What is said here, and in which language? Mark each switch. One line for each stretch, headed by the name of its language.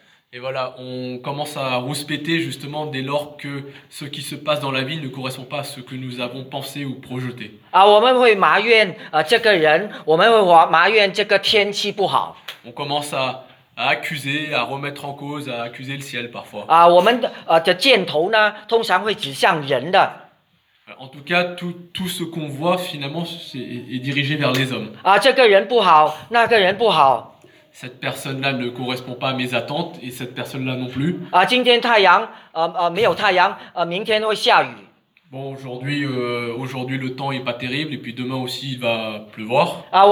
French: Et voilà, on commence à rouspéter justement dès lors que ce qui se passe dans la vie ne correspond pas à ce que nous avons pensé ou projeté. On commence à accuser, à remettre en cause, à accuser le ciel parfois.
Chinese: 我们的箭头呢，通常会指向人的。
French: En tout cas, tout ce qu'on voit finalement est dirigé vers les hommes.
Chinese: 这个人不好，那个人不好。
French: Cette personne-là ne correspond pas à mes attentes et cette personne-là non plus.
Chinese: 今天太阳，没有太阳，明天会下雨。
French: Bon, aujourd'hui le temps est pas terrible et puis demain aussi il va pleuvoir.